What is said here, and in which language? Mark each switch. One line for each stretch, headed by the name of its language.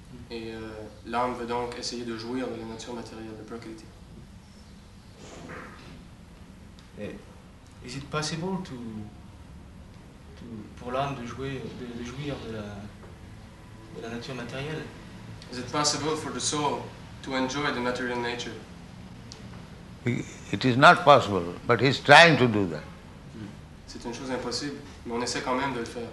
French: Et l'âme veut donc essayer de jouir de la nature matérielle de Prakriti.
English: Is it possible to
French: pour l'âme de jouir de la nature matérielle?
English: Is it possible for the soul to enjoy the material nature? It is not possible, but he is trying to do that.
French: C'est une chose impossible, mais on essaie quand même de le faire.